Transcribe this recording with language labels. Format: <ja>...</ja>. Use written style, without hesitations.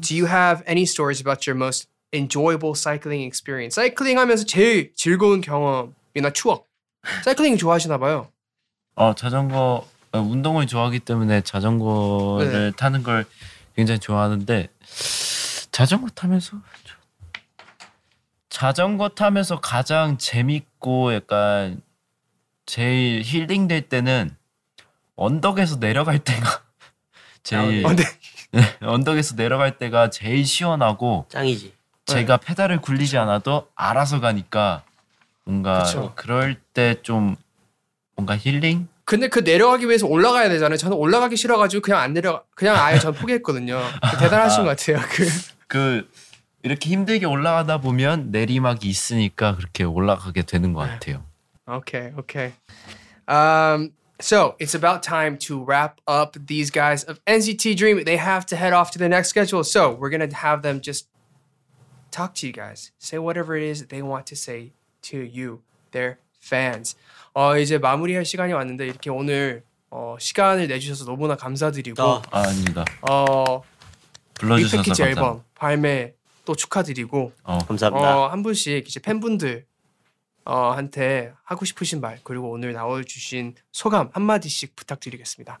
<en>Do you have any stories about your most enjoyable cycling experience?</en> <ko>사이클링하면서 제일 즐거운 경험이나 추억. 사이클링 좋아하시나 봐요. 자전거. 운동을 좋아하기 때문에 자전거를 타는 걸 굉장히 좋아하는데 자전거 타면서 가장 재밌고 약간 제일 힐링될 때는 언덕에서 내려갈 때가 제일 언덕에서 내려갈 때가 제일 시원하고 짱이지. 제가 페달을 굴리지 않아도 알아서 가니까 뭔가 그럴 때 좀 뭔가 힐링? 근데 그 내려가기 위해서 올라가야 되잖아요. 저는 올라가기 싫어가지고 그냥 아예 전 포기했거든요. 대단하신 것 같아요. 그 이렇게 힘들게 올라가다 보면 내리막이 있으니까 그렇게 올라가게 되는 것 같아요. 오케이.</ko> <en>So it's about time to wrap up these guys of NCT Dream. They have to head off to their next schedule. So we're going to have them just talk to you guys. Say whatever it is that they want to say to you, their fans.</en> <ko>이제 마무리할 시간이 왔는데 이렇게 오늘 시간을 내주셔서 너무나 감사드리고 아닙니다. 빅패키지 앨범 발매 또 축하드리고 감사합니다. 한 분씩 이제 팬분들 한테 하고 싶으신 말 그리고 오늘 나와주신 소감 한마디씩 부탁드리겠습니다.</ko>